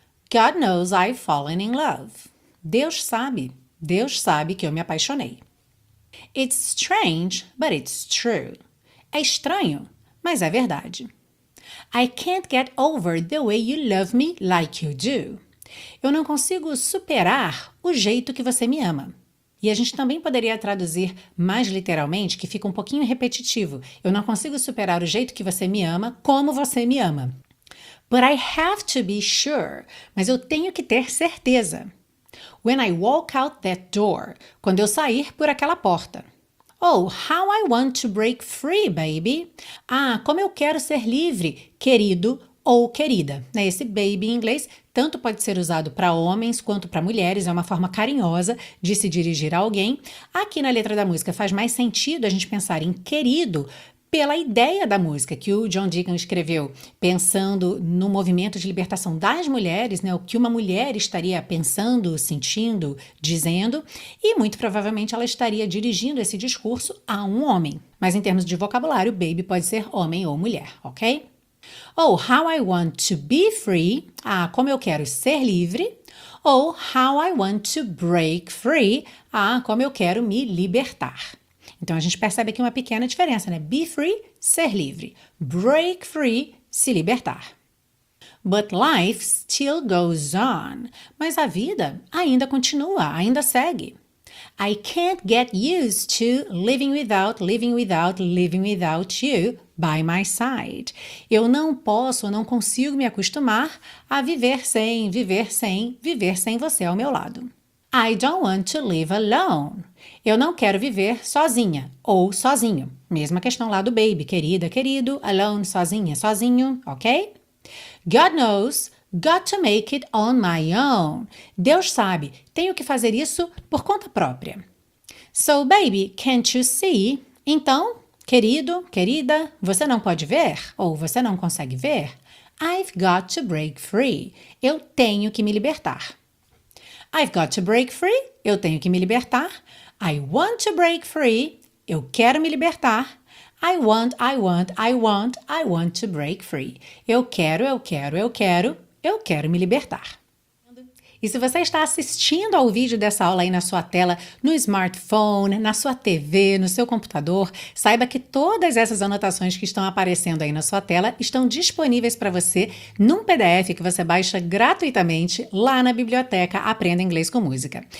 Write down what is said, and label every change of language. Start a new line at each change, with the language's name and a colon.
English: God knows I've fallen in love.
Portuguese: Deus sabe que eu me apaixonei.
English: It's strange, but it's true.
Portuguese: É estranho, mas é verdade.
English: I can't get over the way you love me like you do.
Portuguese: Eu não consigo superar o jeito que você me ama. E a gente também poderia traduzir mais literalmente, que fica um pouquinho repetitivo. Eu não consigo superar o jeito que você me ama, como você me ama.
English: But I have to be sure.
Portuguese: Mas eu tenho que ter certeza.
English: When I walk out that door.
Portuguese: Quando eu sair por aquela porta.
English: Oh, how I want to break free, baby.
Portuguese: Ah, como eu quero ser livre, querido ou querida. Esse baby em inglês tanto pode ser usado para homens quanto para mulheres. É uma forma carinhosa de se dirigir a alguém. Aqui na letra da música faz mais sentido a gente pensar em querido pela ideia da música que o John Deacon escreveu, pensando no movimento de libertação das mulheres, né, o que uma mulher estaria pensando, sentindo, dizendo, e muito provavelmente ela estaria dirigindo esse discurso a um homem. Mas em termos de vocabulário, baby pode ser homem ou mulher, ok?
English: Oh, how I want to be free,
Portuguese: ah, como eu quero ser livre, ou
English: how I want to break free,
Portuguese: ah, como eu quero me libertar. Então, a gente percebe aqui uma pequena diferença, né?
English: Be free,
Portuguese: ser livre.
English: Break free,
Portuguese: se libertar.
English: But life still goes on.
Portuguese: Mas a vida ainda continua, ainda segue.
English: I can't get used to living without you by my side.
Portuguese: Eu não posso, não consigo me acostumar a viver sem você ao meu lado.
English: I don't want to live alone.
Portuguese: Eu não quero viver sozinha ou sozinho. Mesma questão lá do baby, querida, querido, alone, sozinha, sozinho, ok?
English: God knows, got to make it on my own.
Portuguese: Deus sabe, tenho que fazer isso por conta própria.
English: So, baby, can't you see?
Portuguese: Então, querido, querida, você não pode ver ou você não consegue ver?
English: I've got to break free.
Portuguese: Eu tenho que me libertar.
English: I've got to break free.
Portuguese: Eu tenho que me libertar.
English: I want to break free.
Portuguese: Eu quero me libertar.
English: I want, I want, I want, I want to break free.
Portuguese: Eu quero, eu quero, eu quero, eu quero me libertar. E se você está assistindo ao vídeo dessa aula aí na sua tela, no smartphone, na sua TV, no seu computador, saiba que todas essas anotações que estão aparecendo aí na sua tela estão disponíveis para você num PDF que você baixa gratuitamente lá na biblioteca Aprenda Inglês com Música.